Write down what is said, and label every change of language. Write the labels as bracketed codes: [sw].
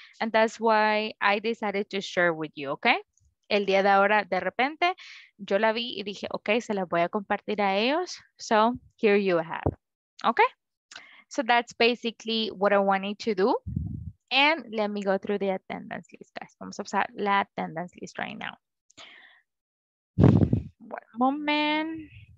[en] And that's why I decided to share with you, ¿okay? [es] El día de ahora, de repente, yo la vi y dije, okay, se las voy a compartir a ellos. [en] So here you have, ¿okay? So that's basically what I wanted to do. And let me go through the attendance list, guys. [es] Vamos a usar la [en] attendance list right now. One moment.